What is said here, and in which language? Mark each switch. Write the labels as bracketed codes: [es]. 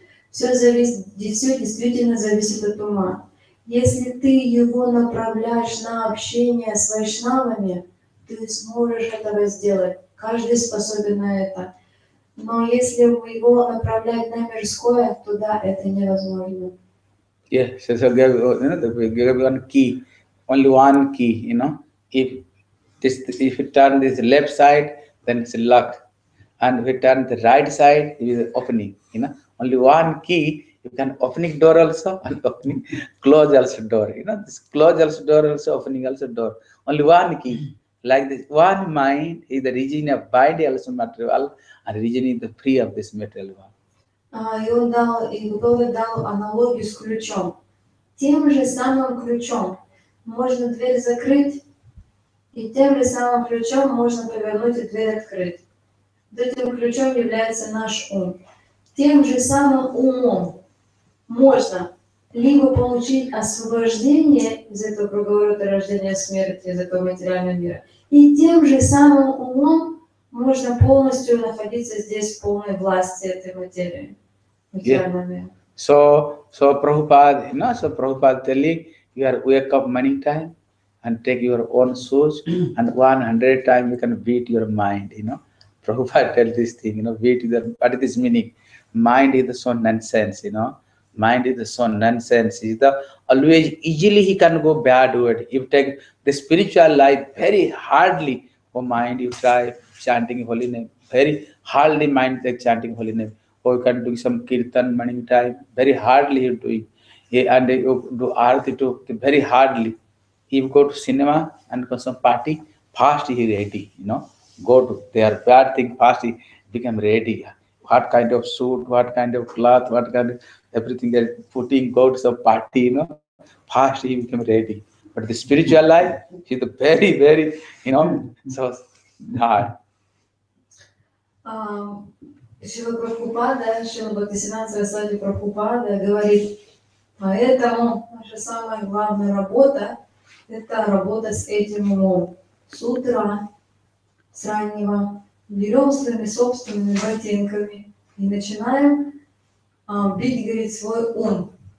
[ru] Все действительно зависит от ума. Если ты его направляешь на общение с вайшнавами, ты сможешь этого сделать. Каждый способен на это. Но если его направлять на мирское, то да, это невозможно. [en] Yes, so give one key, only one key, you know. If you turn this left side, then it's luck. And if you turn the right side, it is opening. You know, only one key, you can opening door also, and opening, close also door. You know, this close also door, also opening also door. Only one key. Like this, one mind is the region of body also material, and region is the free of this material one. [ru] И он дал аналогию с ключом. Тем же самым ключом можно дверь закрыть, и тем же самым ключом можно повернуть и дверь открыть. Этим ключом является наш ум. Тем же самым умом можно либо получить освобождение из этого круговорота рождения смерти, из этого материального мира, и тем же самым умом можно полностью находиться здесь в полной власти этой материи. [en] Yeah. So Prabhupada, you know, so Prabhupada telling, you are wake up many times, and take your own source, and 100 times you can beat your mind, you know. Prabhupada tell this thing, you know, beat your, what is this meaning? Mind is so nonsense, you know. mind is so nonsense. He's the always easily he can go bad word. You take the spiritual life very hardly. Oh mind, you try chanting holy name. Very hardly mind take chanting holy name. Or you can do some kirtan morning time. Very hardly you're doing. Yeah, and you do arati too, very hardly. You go to cinema and go some party, fast he ready, you know. Go to their bad thing, fast he become ready. What kind of suit, what kind of cloth, what kind of everything they're putting, go to some party, you know. Fast he become ready. But the spiritual life, he's the very, very, you know, so hard. [ru] Шрила Прабхупада, Шрила Бхактисиддханта Сарасвати Прабхупада говорит, поэтому наша самая главная работа – это работа с этим умом. С утра, с раннего, берем своими собственными ботинками и начинаем бить, говорит, свой ум.